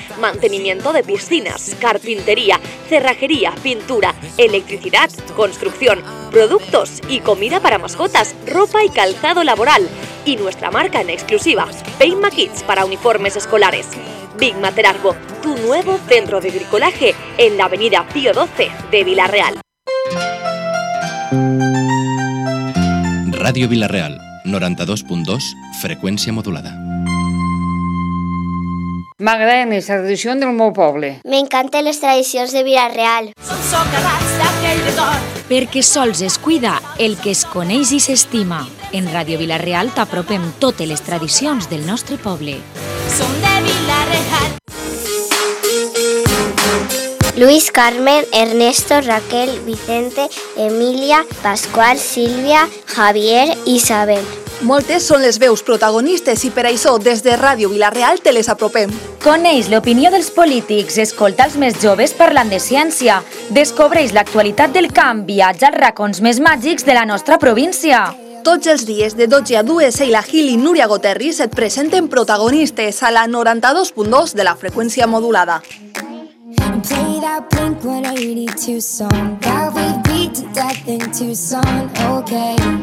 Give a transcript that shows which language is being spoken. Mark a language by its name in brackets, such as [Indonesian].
[Spanish] Mantenimiento de piscinas, carpintería, cerrajería, pintura, electricidad, construcción, productos y comida para mascotas, ropa y calzado laboral. Y nuestra marca en exclusiva, Peima Kids, para uniformes escolares. Big Mater Arbo, tu nuevo centro de bricolaje en la avenida Pío 12 de Villarreal. Radio Villarreal, 92.2, frecuència modulada. [Catalan] M'agrada més la tradició del meu poble. M'encanten les tradicions de Villarreal. Som socarrats d'aquell retorn. Perquè sols es cuida el que es coneix i s'estima. En Radio Villarreal t'apropem totes les tradicions del nostre poble. Som de Villarreal. Luis, Carmen, Ernesto, Raquel, Vicente, Emilia, Pascual, Silvia, Javier, Isabel. Moltes són les veus protagonistes i per això des de Ràdio Villarreal te les apropem. Coneix l'opinió dels polítics, escolta els més joves parlant de ciència, descobreix l'actualitat del camp, viatja als racons més màgics de la nostra província. Tots els dies de 12 a 2, Sheila Gil i Núria Goterri et presenten protagonistes a la 92.2 de la freqüència modulada. [English] Play that Blink-182 song that we beat to death in Tucson, okay.